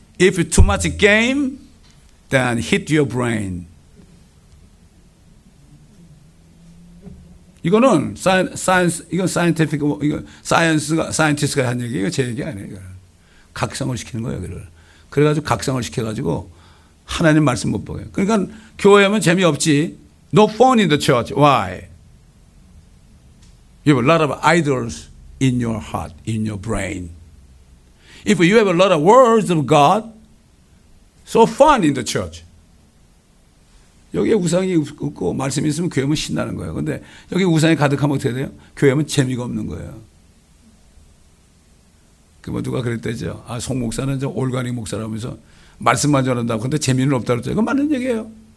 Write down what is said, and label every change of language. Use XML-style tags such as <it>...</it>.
<en>If you too much game, then hit your brain.</en> <ko>이거는 사이언스, 이건 사이언티픽, 이거 사이언스가, 사이언티스트가 한 얘기, 이거 제 얘기 아니에요. 이거. 각성을 시키는 거예요, 이거를. 그래가지고 각성을 시켜가지고, 하나님 말씀 못 보게. 그러니까 교회하면 재미없지.</ko> <en>No fun in the church. Why? You have a lot of idols in your heart, in your brain. If you have a lot of words of God, so fun in the church.</en> <ko>여기에 우상이 없고 말씀이 있으면 교회하면 신나는 거예요. 그런데 여기 우상이 가득하면 어떻게 돼요? 교회하면 재미가 없는 거예요. 그뭐 누가 그랬대죠. 아, 송 목사는 저 올가닉 목사라면서 말씀만 전한다고 근데 재미는 없다고 그랬죠. 그건 맞는 얘기예요.</ko>